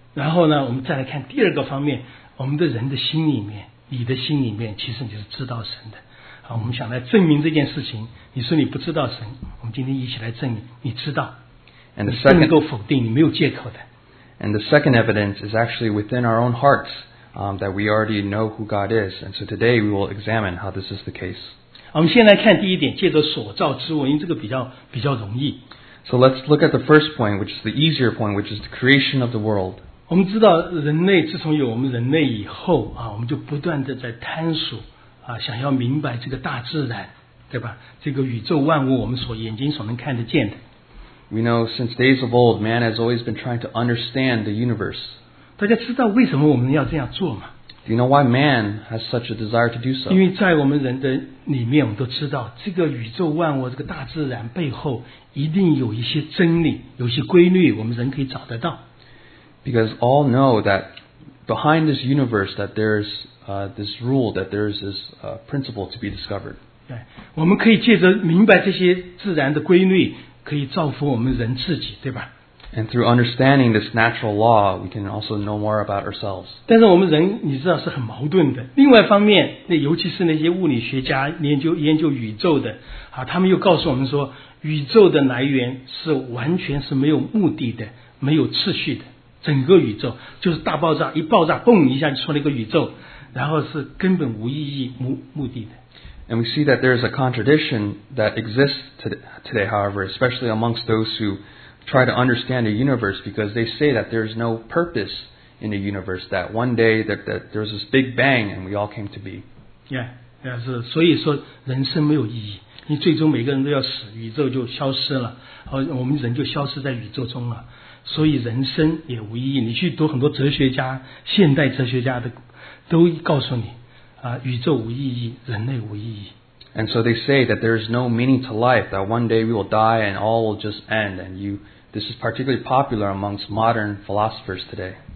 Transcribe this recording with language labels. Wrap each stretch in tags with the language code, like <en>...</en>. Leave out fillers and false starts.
<zh>然后呢，我们再来看第二个方面，我们的人的心里面，你的心里面，其实你是知道神的。好，我们想来证明这件事情。你说你不知道神，我们今天一起来证明你知道。</zh> <en>And the second,</en> <zh>你不能够否定，你没有借口的。</zh> <en>And the second evidence is actually within our own hearts. That we already know who God is. And so today we will examine how this is the case.</en> <zh>我们先来看第一点，借着所造之物，因为这个比较容易。</zh> <en>So let's look at the first point, which is the easier point, which is the creation of the world.</en> <zh>我们知道人类自从有我们人类以后啊，我们就不断的在探索啊，想要明白这个大自然，对吧？这个宇宙万物，我们所眼睛所能看得见的。</zh> <en>We know since days of old, man has always been trying to understand the universe.</en> <zh>大家知道为什么我们要这样做吗？</zh> <en>Do you know why man has such a desire to do so?</en> <zh>因为在我们人的里面，我们都知道这个宇宙万物、这个大自然背后一定有一些真理、有些规律，我们人可以找得到。</zh> <en>Because all know that behind this universe, that there's this rule, that there's this principle to be discovered.</en> <zh>对，我们可以借着明白这些自然的规律，可以造福我们人自己，对吧？</zh> <en>And through understanding this natural law, we can also know more about ourselves.</en> <zh>但是我们人，你知道是很矛盾的。另外一方面，那尤其是那些物理学家研究宇宙的，啊，他们又告诉我们说，宇宙的来源是完全是没有目的的，没有次序的。整个宇宙就是大爆炸，一爆炸，嘣一下就出了一个宇宙，然后是根本无意义、无目的的。</zh> <en>And we see that there is a contradiction that exists today, however, especially amongst those who try to understand the universe, because they say that there is no purpose in the universe, that one day that there was this big bang and we all came to be.</en> <zh>Yeah, 是，所以说人生没有意义，你最终每个人都要死，宇宙就消失了，而我们人就消失在宇宙中了，所以人生也无意义。你去读很多哲学家，现代哲学家的都告诉你，宇宙无意义，人类无意义。</zh> <en>And so they say that there is no meaning to life, that one day we will die and all will just end. And this is particularly popular amongst modern philosophers today.</en>